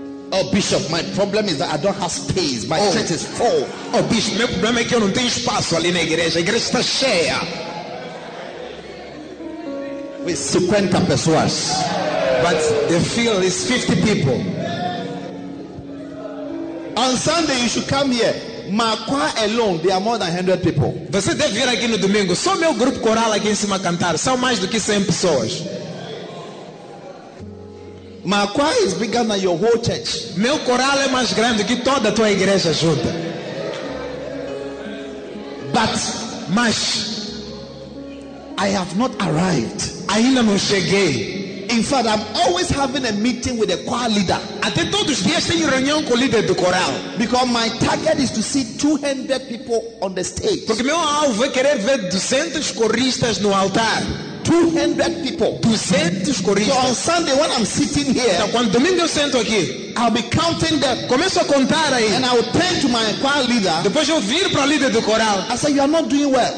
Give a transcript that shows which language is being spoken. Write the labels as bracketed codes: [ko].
[en] Oh bishop, my problem is that I don't have space. My church is full. [pt] Oh bishop, meu problema é que eu não tenho espaço ali na igreja. A igreja está cheia. [en] With 50 [pt] pessoas. [en] But the field is 50 people. On Sunday you should come here. Maqua alone, there are more than 100 people. [pt] Você deve vir aqui no domingo. Só meu grupo coral aqui em cima cantar. São mais do que 100 pessoas. [en] Maqua is bigger than your whole church. [pt] Meu coral é mais grande que toda a tua igreja junta. [en] But, [pt] mas, [en] I have not arrived. [pt] Ainda não cheguei. [en] In fact, I'm always having a meeting with a choir leader. [pt] Até todos os dias tenho reunião com o líder do coral. [en] Because my target is to see 200 people on the stage. [pt] Porque meu alvo é querer ver 200 coristas no altar. [en] 200 people. [pt] 200 coristas. [en] So on Sunday, when I'm sitting here, [pt] então, quando domingo eu sento aqui, [en] I'll be counting them. [pt] Começo a contar aí. [en] And I'll turn to my choir leader. [pt] Depois eu viro para o líder do coral. [en] I say, you are not doing well.